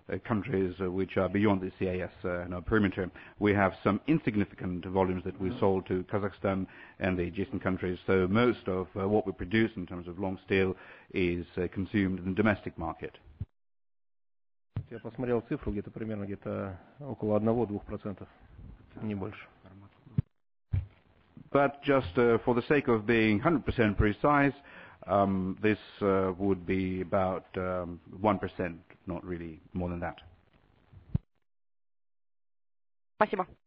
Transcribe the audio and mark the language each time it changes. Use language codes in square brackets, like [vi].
[en] countries which are beyond the CIS perimeter. We have some insignificant volumes that we sold to Kazakhstan and the adjacent countries, so most of what we produce in terms of long steel is consumed in the domestic market. [ru] Я посмотрел цифру, где-то примерно где-то около 1-2%, не больше. [en] But just for the sake of being 100% precise, this would be about 1%, not really more than that. [ru] Спасибо.